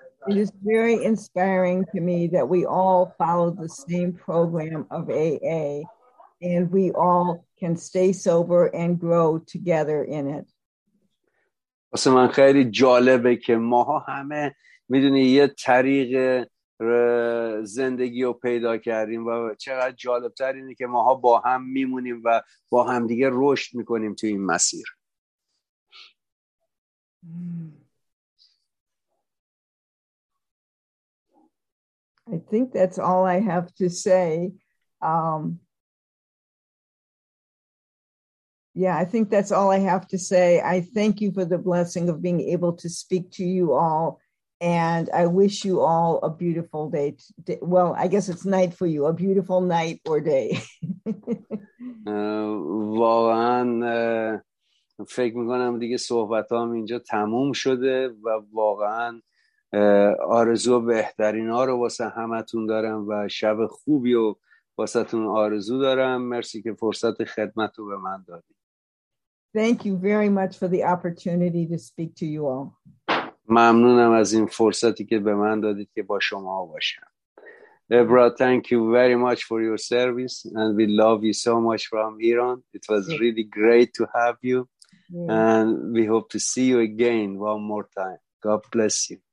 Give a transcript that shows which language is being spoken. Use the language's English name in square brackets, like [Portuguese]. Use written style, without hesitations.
[English] It is very inspiring to me that we all follow the same program of AA and we all can stay sober and grow together in it. [Persian] واسه من خیلی جالبه که ماها همه میدونی یه طریق زندگی رو پیدا کردیم و چقدر جالبتر اینه که ماها با هم میمونیم و با هم دیگه رشد میکنیم تو این مسیر. [English] I think that's all I have to say. I think that's all I have to say. I thank you for the blessing of being able to speak to you all. And I wish you all a beautiful day. Well, I guess it's night for you. A beautiful night or day. [Persian] واقعا فکر میکنم دیگه صحبتام اینجا تموم شده و واقعا آرزو بهترین ها رو واسه همتون دارم و شب خوبی رو واسه تون آرزو دارم. مرسی که فرصت خدمت رو به من دادی. [English] Thank you very much for the opportunity to speak to you all. [Persian] ممنونم از این فرصتی که به من دادید که با شما باشم. [English] Ebra, thank you very much for your service and we love you so much from Iran. It was really great to have you and we hope to see you again one more time. God bless you.